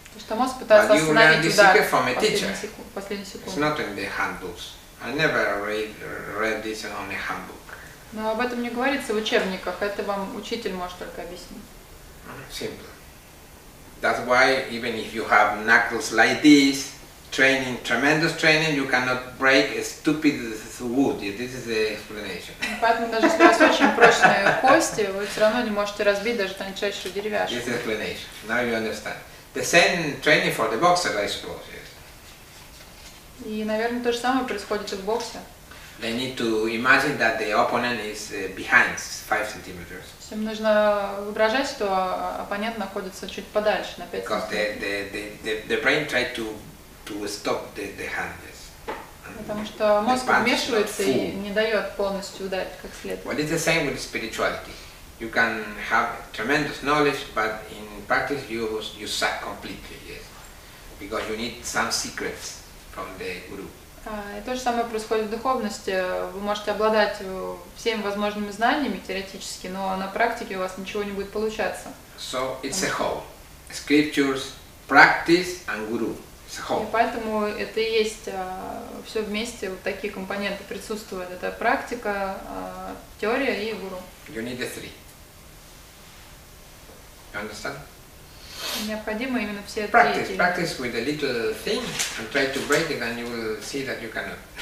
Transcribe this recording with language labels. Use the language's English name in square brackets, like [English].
[Russian] Потому что мозг пытается [English] But [Russian] остановить [English] you [Russian] удар [English] this from a teacher. [Russian] Последнюю секунду. [English] It's not in the handbooks. I never read this on the handbook. [Russian] Но об этом не говорится в учебниках. Это вам учитель может только объяснить. [English] Simple. That's why even if you have knuckles like this, training, tremendous training, you cannot break a stupid wood. This is the explanation. [Russian] Поэтому даже если у вас очень прочные кости, вы все равно не можете разбить даже тончайшую деревяшку. [English] This is the explanation. Now you understand. The same training for the boxer, I suppose, yes. [Russian] И, наверное, то же самое происходит и в боксе. [English] They need to imagine that the opponent is behind 5 centimeters. [Russian] Всем нужно воображать, что оппонент находится чуть подальше, на 5 [English] centimeters. Because the brain tried to stop the hand, yes. [Russian] Потому что мозг вмешивается и не дает полностью ударить как следует. [English] Well, it's the same with spirituality. You can have tremendous knowledge, but in practice you suck completely, yes. Because you need some secrets from the guru. [Russian] И то же самое происходит в духовности. Вы можете обладать всеми возможными знаниями теоретически, но на практике у вас ничего не будет получаться. [English] So it's a whole. Scriptures, practice and guru. [Russian] И поэтому это и есть все вместе, вот такие компоненты присутствуют. Это практика, теория и гуру. [English] You need the three. You understand? [Russian] Необходимо именно все три. [English] Practice with a little thing and try to break it and you will see that you cannot.